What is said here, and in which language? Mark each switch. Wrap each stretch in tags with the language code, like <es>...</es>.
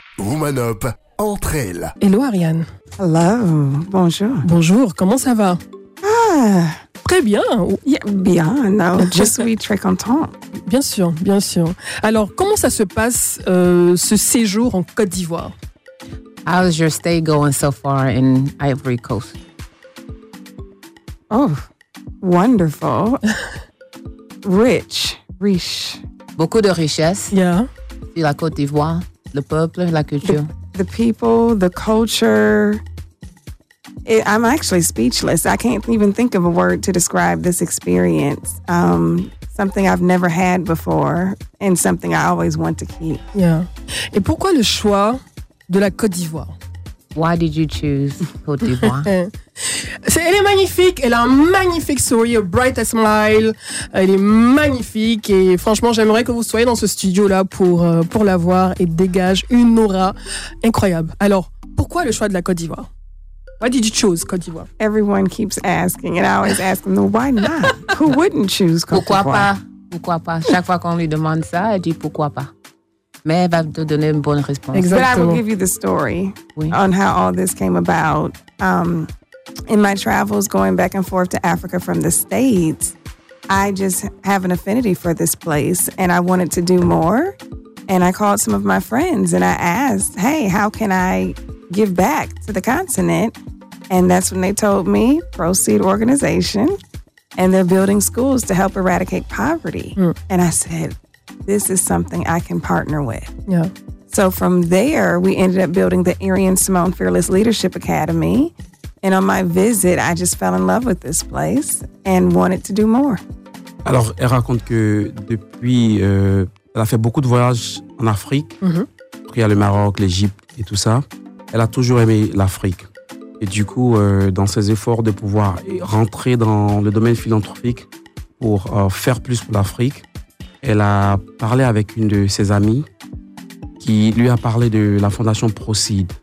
<fr>Woman Up, entre elles.</fr> <en>Hello Ariane. Hello, bonjour.</en> <fr>Bonjour, comment ça va ? Très bien. Yeah, bien, non, je suis très content. Bien sûr, bien sûr. Alors, comment ça se passe ce séjour en Côte d'Ivoire?</fr> <en>How's your stay going so far in Ivory Coast? Oh, wonderful. Rich.</en> <fr>Beaucoup de richesses. Yeah. Et la Côte d'Ivoire, le peuple, la culture.</fr> <en>The people, the culture. I'm actually speechless. I can't even think of a word to describe this experience. Something I've never had before and something I always want to keep. Yeah.</en> <fr>Et pourquoi le choix de la Côte d'Ivoire?</fr> <en>Why did you choose Côte d'Ivoire?</en> <fr>Elle est magnifique. Elle a un magnifique sourire,</fr> <en>a bright smile.</en> <fr>Elle est magnifique. Et franchement, j'aimerais que vous soyez dans ce studio-là pour la voir et dégage une aura incroyable. Alors, pourquoi le choix de la Côte d'Ivoire?</fr> <en>Why did you choose Côte d'Ivoire? Everyone keeps asking, and I always ask them, why not? Who wouldn't choose Côte</en> <fr>pourquoi</fr> <en>d'Ivoire?</en> <fr>Pourquoi pas? Chaque fois qu'on lui demande ça, elle dit pourquoi pas. Mais elle va te donner une bonne réponse. Exactement.</fr> <en>But I will give you the story on how all this came about. In my travels going back and forth to Africa from the States, I just have an affinity for this place, and I wanted to do more. And I called some of my friends, and I asked, hey, how can I give back to the continent? And that's when they told me, Proceed Organization, and they're building schools to help eradicate poverty. Mm. And I said, this is something I can partner with. Yeah. So from there, we ended up building the Arian Simone Fearless Leadership Academy. And on my visit, I just fell in love with this place and wanted to do more.</en> <fr>Alors, elle raconte que depuis, elle a fait beaucoup de voyages en Afrique, il y a le Maroc, l'Égypte et tout ça. Elle a toujours aimé l'Afrique. Et du coup, dans ses efforts de pouvoir rentrer dans le domaine philanthropique pour faire plus pour l'Afrique, elle a parlé avec une de ses amies qui lui a parlé de la fondation Proceed.</fr>